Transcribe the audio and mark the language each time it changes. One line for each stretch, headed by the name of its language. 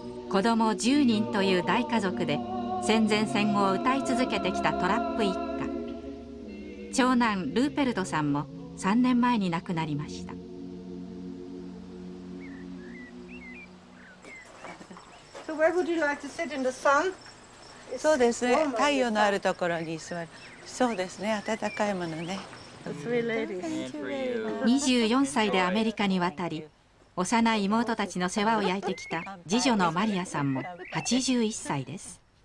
Japanese: 子供10人という大家族で戦前戦後を歌い続けてきたトラップ一家。長男ルーペルトさんも3年前に亡くなりました。
English: Where would you like to sit in the sun?
Japanese: そうですね、太陽のあるところに座る。そうですね、暖かいものね。 24歳でアメリカに渡り、幼い妹たちの世話を焼いてきた次女のマリアさんも81歳です。